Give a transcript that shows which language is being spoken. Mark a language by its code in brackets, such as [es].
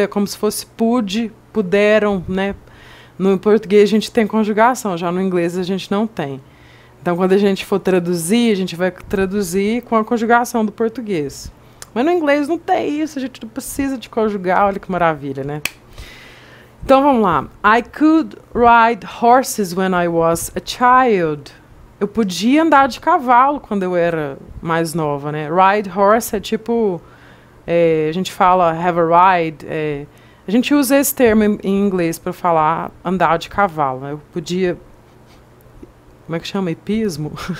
[pt] É como se fosse pude, puderam, né? No português a gente tem conjugação, já no inglês a gente não tem. Então, quando a gente for traduzir, a gente vai traduzir com a conjugação do português. Mas no inglês não tem isso, a gente não precisa de conjugar, olha que maravilha, né? Então vamos lá. [en] I could ride horses when I was a child. [pt] Eu podia andar de cavalo quando eu era mais nova, né? Ride horse é tipo. É, a gente fala [en] have a ride. [pt] É, a gente usa esse termo em inglês para falar andar de cavalo. Né? Eu podia. Como é que chama? Hipismo?